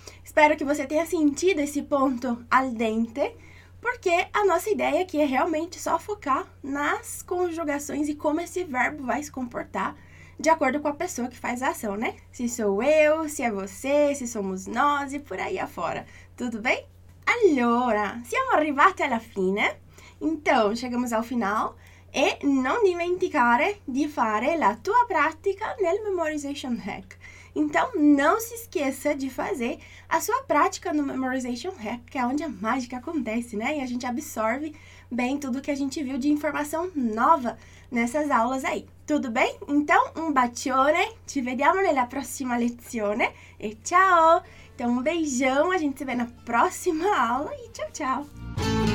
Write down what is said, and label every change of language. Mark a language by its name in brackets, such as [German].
[Portuguese] Espero que você tenha sentido esse ponto al dente, porque a nossa ideia aqui é realmente só focar nas conjugações e como esse verbo vai se comportar de acordo com a pessoa que faz a ação, né? Se sou eu, se é você, se somos nós e por aí afora, tudo bem? [Italian] Allora, siamo arrivati alla fine, [Portuguese] então chegamos ao final [Italian] e non dimenticare di fare la tua pratica nel Memorization Hack. [Portuguese] Então não se esqueça de fazer a sua prática no Memorization Hack, que é onde a mágica acontece, né? E a gente absorve bem tudo que a gente viu de informação nova nessas aulas aí. Tudo bem? Então um [Italian] bacione, ci vediamo nella prossima lezione e ciao! [Portuguese] Então, um beijão, a gente se vê na próxima aula e tchau, tchau!